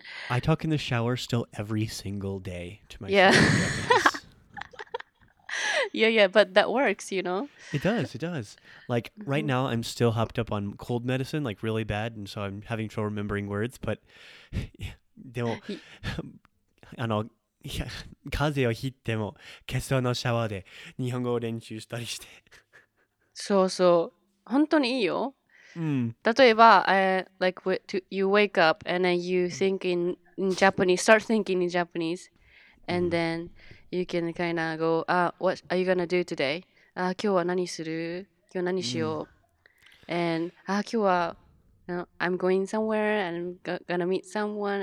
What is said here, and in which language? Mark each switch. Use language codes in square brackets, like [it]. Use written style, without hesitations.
[en] I talk in the shower still every single day to myself. Yeah. yeah, but that works, you know? It does. Like right now I'm still hopped up on cold medicine, like really bad. And so I'm having trouble remembering words, but they won't... [ja] 風邪をひいても化粧のシャワーで日本語を練習したりしてそうそう本当にいいよ、うん、例えば [en] you wake up and then you think in Japanese start thinking in Japanese and then you can kind of go what are you gonna do today? [ja] 今日は何する？今日何しよう、 [en] and [ja] 今日は [en] You know, I'm going somewhere and I'm gonna meet someone.